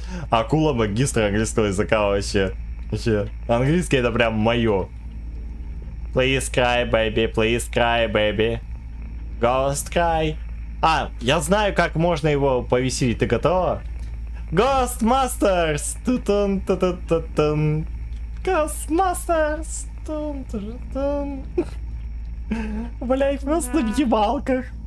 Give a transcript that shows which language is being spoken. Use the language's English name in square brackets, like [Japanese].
[Russian] Акула магистр английского языка вообще. Вообще. Английский это прям моё. [English] Please cry, baby, please cry, baby. Ghost cry. [Russian] А, я знаю, как можно его повеселить. Ты готова? [English] Ghost Masters! [Russian] Ту-тун-ту-тун-ту-тун. [English] Ghost Masters! [Russian] Тун-тун-тун. Блять, просто в ебалках.